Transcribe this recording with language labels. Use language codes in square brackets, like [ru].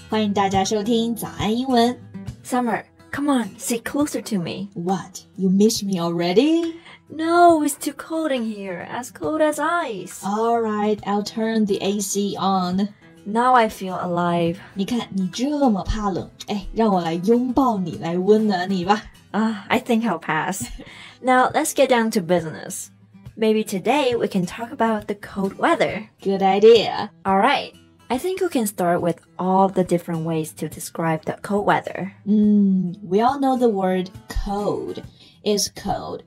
[zh] 欢迎大家收听早安英文。 [en] Summer, come on, sit closer to me. What? You miss me already? No, it's too cold in here, as cold as ice. All right, I'll turn the AC on. Now I feel alive. [zh] 你看你这么怕冷，哎，让我来拥抱你，来温暖你吧。 [en] I think I'll pass. Now, let's get down to business. Maybe today we can talk about the cold weather. Good idea. All right. I think we can start with all the different ways to describe the cold weather. We all know the word cold. It's cold.